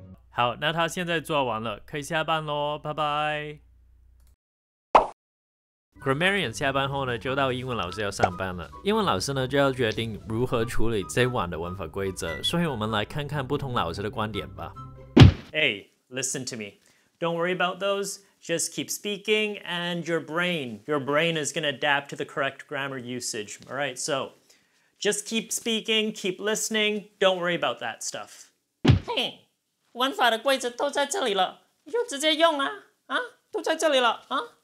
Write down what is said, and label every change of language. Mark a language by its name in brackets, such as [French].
[Chinese] 好，那他现在做完了，可以下班喽，拜拜。Grammarian 下班后呢，就到英文老师要上班了。英文老师呢就要决定如何处理这晚的文法规则，所以我们来看看不同老师的观点吧。Hey, [English] listen to me. Don't worry about those. Just keep speaking and your brain is going to adapt to the correct grammar usage. All right, so just keep speaking, keep listening. Don't worry about that stuff. [Chinese] Hey, 文法的规则都在这里了，你就直接用啊，都在这里了啊。